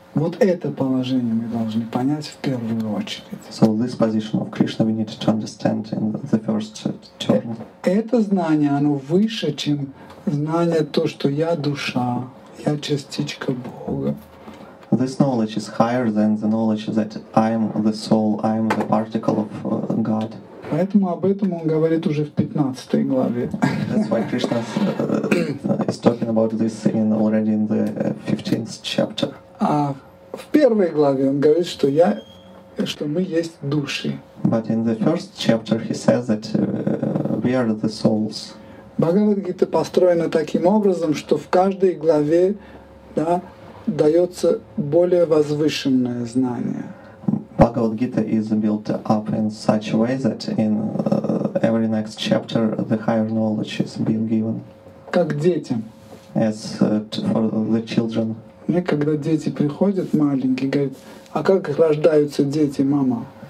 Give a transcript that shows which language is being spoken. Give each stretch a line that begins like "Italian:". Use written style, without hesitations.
Russian: Вот это положение мы должны понять в первую очередь.
English: So this position of Krishna we need to understand in the first turn.
Russian: Это знание, оно выше, чем знание то, что я душа. Я частичка Бога.
English: This knowledge is higher than the knowledge that I am the soul, I am the particle of God.
Russian: Поэтому об этом он говорит уже в 15 главе.
English: That's why Krishna is talking about this in already in the 15th chapter.
Russian: А в первой главе он говорит, что я, что мы есть души.
English: But in the first chapter he says that we are the souls.
Russian: Бхагавад-гита построена таким образом, что в каждой главе, да, дается более возвышенное знание.
English: Бхагавад-гита is built up in such a way that in every next chapter the higher knowledge is being given.
Russian: Как детям.
English: As for the children.
Russian: Мне когда дети приходят маленькие, говорят, а как рождаются дети, мама?